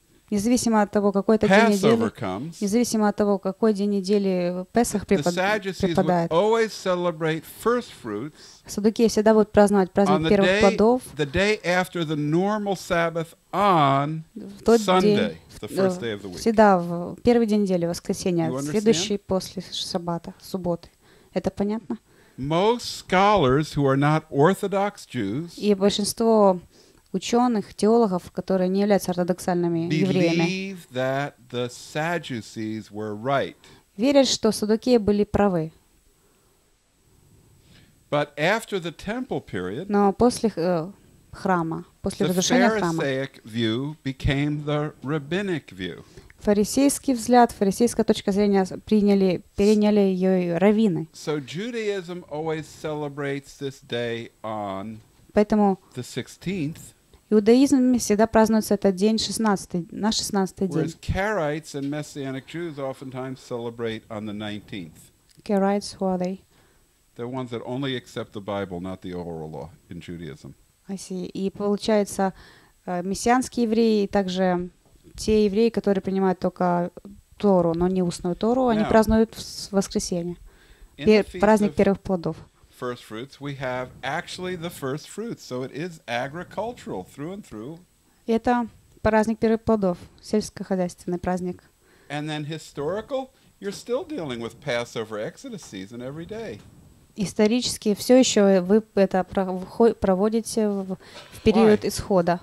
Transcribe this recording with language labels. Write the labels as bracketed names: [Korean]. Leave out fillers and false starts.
[Russian] независимо от того, какой это день недели, независимо от того, какой день недели Песах преподает, [English] always celebrate first fruits. [Russian] Саддукеи всегда будут праздновать праздник первых плодов. [English] The day after the normal Sabbath on Sunday, the first day of the week. [Russian] Всегда в первый день недели, воскресенье, следующий после Шаббата, субботы. Это понятно? [English] Most scholars who are not orthodox Jews, [Russian] и большинство ученых, теологов, которые не являются ортодоксальными евреями, [English] believe that the Sadducees were right. [Russian] Верят, что саддукеи были правы. [English] But after the temple period, [Russian] но после храма, после разрушения храма, [English] the Pharisaic view became the rabbinic view. [Russian] Фарисейский взгляд, фарисейская точка зрения переняли ее раввины. [English] So Judaism always celebrates this day on [Russian] поэтому [English] the 16th, [Russian] иудаизм всегда празднуется этот день 16, на 16-й день. [English] Whereas Karaites and Messianic Jews oftentimes celebrate on the 19th. Karaites, who are they? They're ones that only accept the Bible, not the oral law in Judaism. I see. [Russian] И получается, мессианские евреи и также те евреи, которые принимают только Тору, но не устную Тору, они празднуют воскресенье, праздник первых плодов. [English] First fruits, we have actually the first fruits, so it is agricultural through and through. [Russian] Это праздник первых плодов, сельскохозяйственный праздник. [English] And then historical, you're still dealing with Passover, Exodus season every day. [Russian] Исторически все еще вы это проводите в период исхода.